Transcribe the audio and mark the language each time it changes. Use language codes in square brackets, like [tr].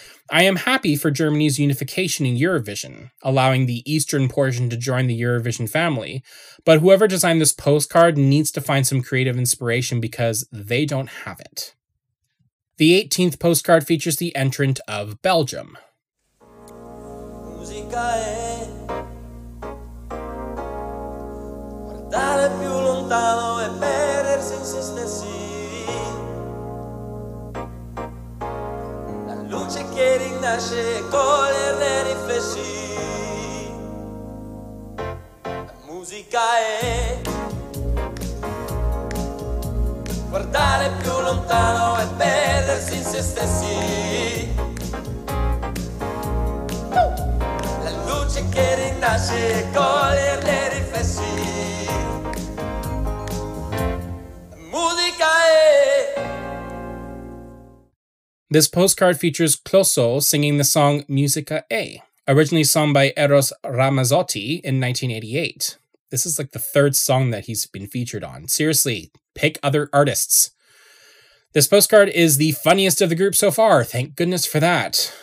[en] I am happy for Germany's unification in Eurovision, allowing the eastern portion to join the Eurovision family, but whoever designed this postcard needs to find some creative inspiration because they don't have it. The 18th postcard features the entrant of Belgium. [it] Musica è guardare più lontano e perdersi in se stessi. Luce che rinasce e coglierne riflessi. La musica è guardare più lontano e perdersi in sé. se stessi. La luce che rinasce e coglierne i riflessi. Musica è. [en] This postcard features Closo singing the song Musica E, originally sung by Eros Ramazzotti in 1988. This is like the third song that he's been featured on. Seriously, pick other artists. This postcard is the funniest of the group so far. Thank goodness for that.